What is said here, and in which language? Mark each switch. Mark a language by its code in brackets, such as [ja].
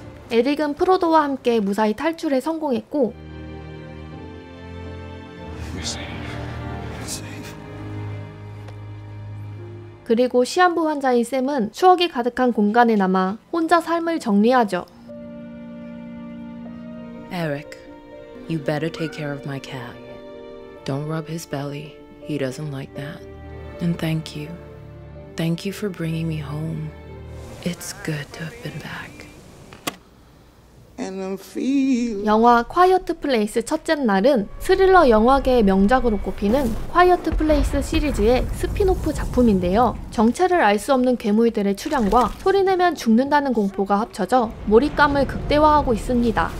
[ko] 에릭은 프로도와 함께 무사히 탈출에 성공했고 그리고 시한부 환자인 샘은 추억이 가득한 공간에 남아 혼자 삶을 정리하죠. [en] Eric, you better take care of my cat. Don't rub his belly. He doesn't like that. And thank you. Thank you for bringing me home. It's good to have been back. [ko] 영화 Quiet Place 첫째 날은 스릴러 영화계의 명작으로 꼽히는 Quiet Place 시리즈의 스핀오프 작품인데요. 정체를 알 수 없는 괴물들의 출현과 소리내면 죽는다는 공포가 합쳐져 몰입감을 극대화하고 있습니다.